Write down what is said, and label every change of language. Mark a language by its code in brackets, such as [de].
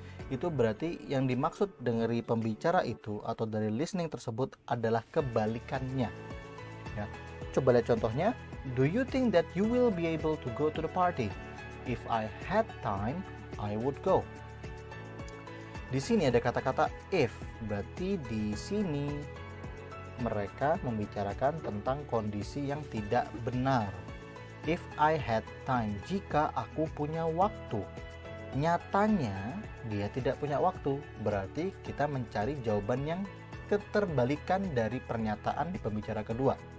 [id] Itu berarti yang dimaksud dari pembicara itu atau dari listening tersebut adalah kebalikannya. Ya. Coba lihat contohnya. [en] Do you think that you will be able to go to the party? If I had time, I would go. [id] Di sini ada kata-kata if, berarti di sini mereka membicarakan tentang kondisi yang tidak benar. [en] If I had time, [id] jika aku punya waktu. Nyatanya dia tidak punya waktu, berarti kita mencari jawaban yang keterbalikan dari pernyataan di pembicara kedua.